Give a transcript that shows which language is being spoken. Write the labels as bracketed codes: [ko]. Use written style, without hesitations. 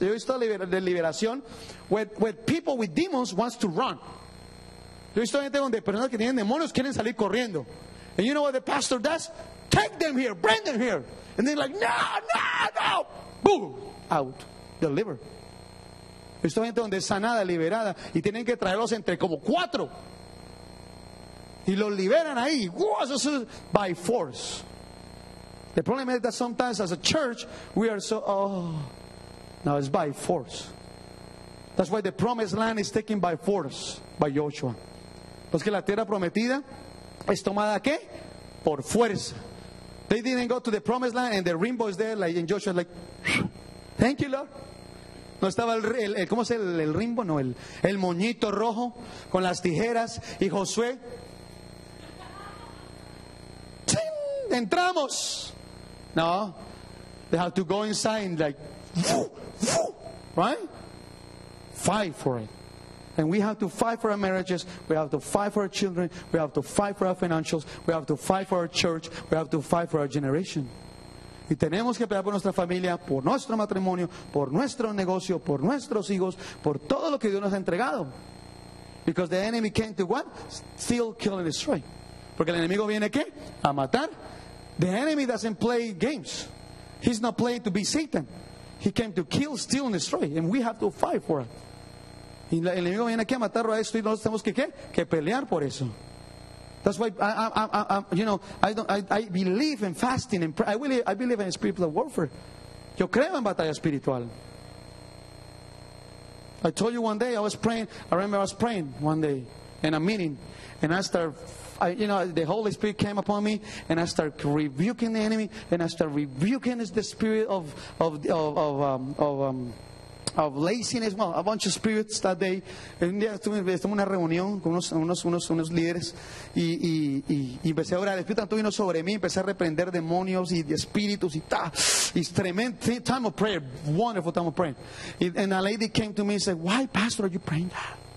[es] Yo he visto liberación [en] with people with demons wants to run. [es] Yo he visto gente donde personas que tienen demonios quieren salir corriendo. [en] And you know what the pastor does? Take them here, bring them here. And they're like, no. Boom, out. Deliver. [es] Yo he visto gente donde es sanada, liberada, y tienen que traerlos entre como cuatro. Y los liberan ahí. [en] By force. The problem is that sometimes as a church, we are so, oh, no, it's by force. That's why the promised land is taken by force, by Joshua. [es] Porque la tierra prometida es tomada, ¿qué? Por fuerza. [en] They didn't go to the promised land and the rainbow is there, like, and Joshua's like, thank you, Lord. [es] No estaba el ¿cómo es el rainbow? No, el moñito rojo con las tijeras y Josué. ¡Tim! ¡Entramos! [en] No, they have to go inside and like, right? Fight for it. And we have to fight for our marriages, we have to fight for our children, we have to fight for our financials, we have to fight for our church, we have to fight for our generation. [es] Y tenemos que pelear por nuestra familia, por nuestro matrimonio, por nuestro negocio, por nuestros hijos, por todo lo que Dios nos ha entregado. [en] Because the enemy came to what? Steal, kill and destroy. [es] Porque el enemigo viene, ¿qué? A matar. [en] The enemy doesn't play games. He's not playing to be Satan. He came to kill, steal and destroy. And we have to fight for it. [es] Y el enemigo viene aquí a matar a esto y nosotros tenemos que, ¿qué? Que pelear por eso. [en] That's why I believe in fasting and prayer. I believe in spiritual warfare. [es] Yo creo en batalla espiritual. [en] I told you one day I was praying. I remember I was praying one day in a meeting, and the Holy Spirit came upon me, and I started rebuking the enemy, and I started rebuking the spirit of laziness. Well, a bunch of spirits that day. [es] Un día estuve en una reunión con unos líderes y empecé a orar. El Espíritu Santo vino sobre mí, empecé a reprender demonios y espíritus y ta. [en] It's tremendous time of prayer, wonderful time of prayer. And a lady came to me and said, "Why, Pastor, are you praying that?